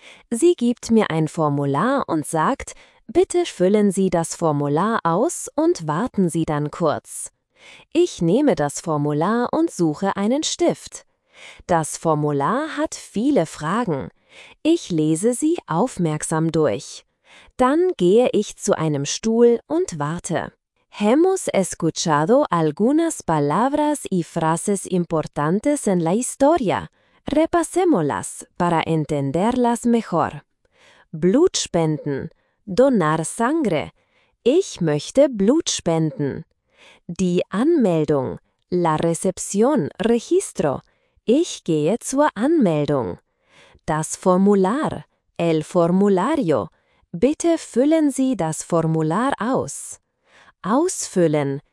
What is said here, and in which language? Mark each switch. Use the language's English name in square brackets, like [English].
[German] Sie gibt mir ein Formular und sagt: Bitte füllen Sie das Formular aus und warten Sie dann kurz. Ich nehme das Formular und suche einen Stift. Das Formular hat viele Fragen. Ich lese sie aufmerksam durch. Dann gehe ich zu einem Stuhl und warte. [Spanish] Hemos escuchado algunas palabras y frases importantes en la historia. Repasémoslas para entenderlas mejor. [German] Blut spenden. [Spanish] Donar sangre. [German] Ich möchte Blut spenden. Die Anmeldung. [Spanish] La recepción. Registro. [German] Ich gehe zur Anmeldung. Das Formular. [Spanish] El formulario. [German] Bitte füllen Sie das Formular aus. Ausfüllen.